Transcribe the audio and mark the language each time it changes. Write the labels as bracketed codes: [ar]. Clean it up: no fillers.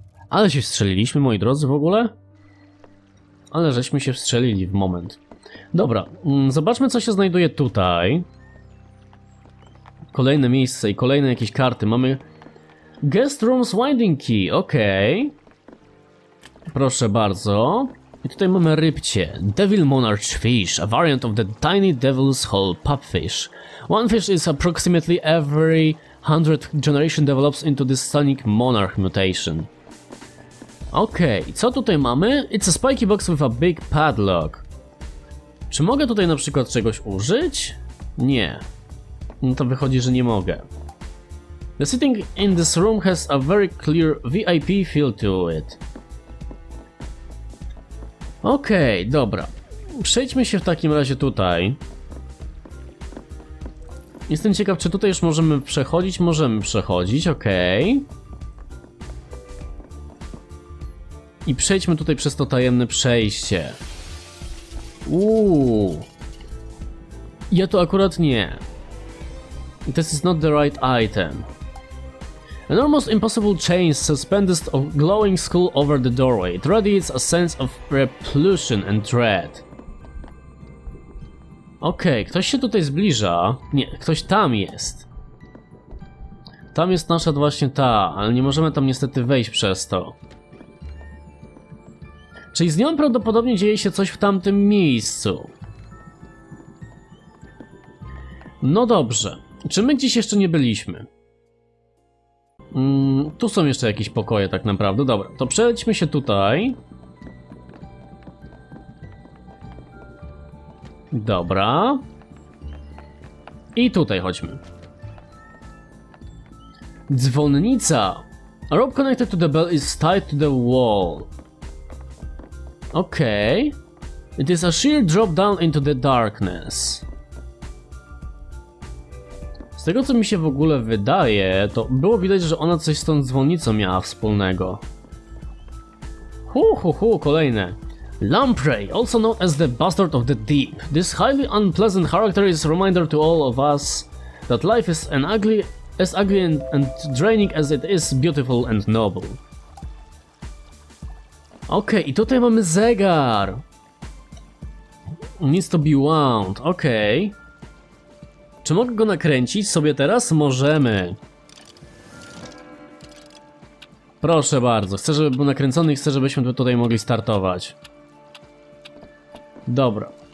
[pl] Ale się wstrzeliliśmy, moi drodzy, w ogóle? Ale żeśmy się wstrzelili w moment. Dobra, zobaczmy, co się znajduje tutaj. Kolejne miejsce i kolejne jakieś karty. Mamy Guest Room's Winding Key. Okej. Proszę bardzo. I tutaj mamy rybcie. [en] Devil Monarch Fish, a variant of the Tiny Devil's Hole Pupfish. One fish is approximately every 100th generation develops into this Sonic Monarch mutation. [pl] Okej, okay, co tutaj mamy? [en] It's a spiky box with a big padlock. [pl] Czy mogę tutaj na przykład czegoś użyć? Nie. No to wychodzi, że nie mogę. [en] The sitting in this room has a very clear VIP feel to it. [pl] Okej, okay, dobra. Przejdźmy się w takim razie tutaj. Jestem ciekaw, czy tutaj już możemy przechodzić? Możemy przechodzić, okej. I przejdźmy tutaj przez to tajemne przejście. Uuu. Ja tu akurat nie. [en] This is not the right item. An almost impossible chain suspended a glowing skull over the doorway. It radiates a sense of repulsion and dread. [pl] Okej, ktoś się tutaj zbliża. Nie, ktoś tam jest. Tam jest nasza właśnie ta, ale nie możemy tam niestety wejść przez to. Czyli z nią prawdopodobnie dzieje się coś w tamtym miejscu. No dobrze. Czy my gdzieś jeszcze nie byliśmy? Tu są jeszcze jakieś pokoje tak naprawdę. Dobra, to przejdźmy się tutaj. Dobra. I tutaj chodźmy. Dzwonnica. [en] A rope connected to the bell is tied to the wall. Okej. Okay. It is a sheer drop down into the darkness. [pl] Z tego, co mi się w ogóle wydaje, to było widać, że ona coś z tą dzwonnicą miała wspólnego. Hu hu hu, kolejne. [en] Lamprey, also known as the Bastard of the Deep. This highly unpleasant character is a reminder to all of us that life is as ugly and draining as it is beautiful and noble. [pl] Okej, okay, i tutaj mamy zegar. [en] Needs to be wound. [pl] Okej. Okay. Czy mogę go nakręcić sobie teraz? Możemy. Proszę bardzo, chcę, żeby był nakręcony i chcę, żebyśmy tutaj mogli startować. Dobra.